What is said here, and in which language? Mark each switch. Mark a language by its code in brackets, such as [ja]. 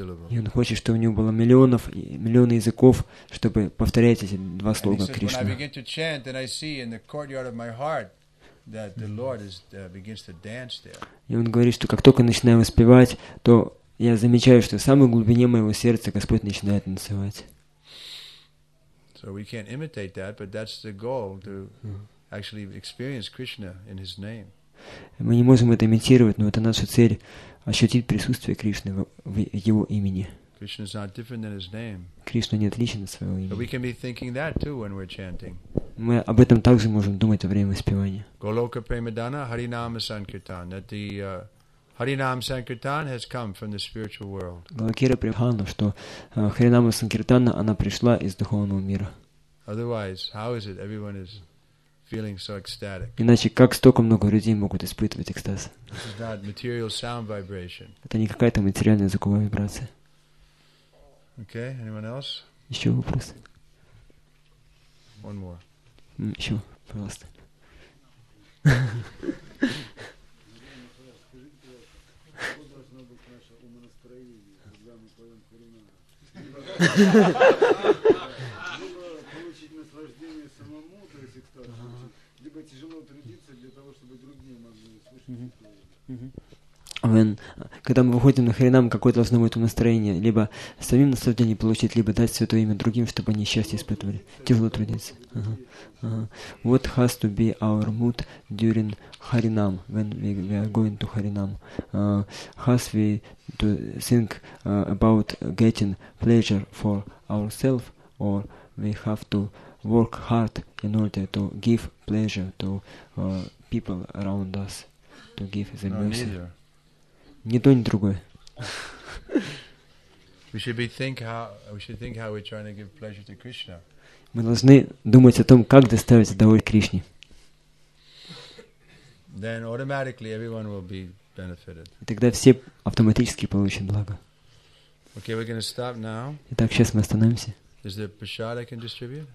[ru] И он хочет, чтобы у него было миллионы языков, чтобы повторять эти два слога, Кришна. [en] When I begin to chant, then I see in the courtyard of my heart that the Lord is begins to dance there. [ru] И он говорит, что как только начинаю воспевать, то я замечаю, что в самой глубине моего сердца Господь начинает танцевать. [en] So we can't imitate that, but that's the goal to actually experience Krishna in His name. [ru] Мы не можем это имитировать, но это наша цель ощутить присутствие Кришны в Его имени. [en] Krishna is not different than His name. [ru] Кришна не отличен от своего имени. [en] But we can be thinking that too when we're chanting. [ru] Мы об этом также можем думать во время воспевания. [sa] Голока премадана харинама санкиртан. [en] That the Харинам Санкиртан has come from the spiritual world. [ru] Гуакира Прибхана, что Харинама Санкиртана, она пришла из духовного мира. [en] Otherwise, how is it everyone is feeling so ecstatic? [ru] Иначе как столько много людей могут испытывать экстаз? [en] This is not material sound vibration. [ru] Это не какая-то материальная звуковая вибрация. [en] Okay, anyone else? [ru] Еще вопросы? [en] One more. [ru] Еще, пожалуйста. Получить наслаждение самому, то есть кто-то хочет, либо тяжело трудиться для того, чтобы другие могли услышать. Когда мы выходим на Харинам, какое должно быть настроение? Либо самим наслаждение получить, либо дать святое имя другим, чтобы они счастье испытывали. Тяжело трудиться. [en] What has to be our mood during Harinam, when we are going to Harinam? Has we to think about getting pleasure for ourselves, or we have to work hard in order to give pleasure to people around us, to give the mercy? [ru] Ни то, ни другое. [en] We should think how we're trying to give pleasure to Krishna. [ru] Мы должны думать о том, как доставить удовольствие Кришне. [en] Then automatically everyone will be benefited. [ru] И тогда все автоматически получат благо. [en] Okay, we're gonna stop now. [ru] Итак, сейчас мы остановимся. [en] Is there prasad I can distribute?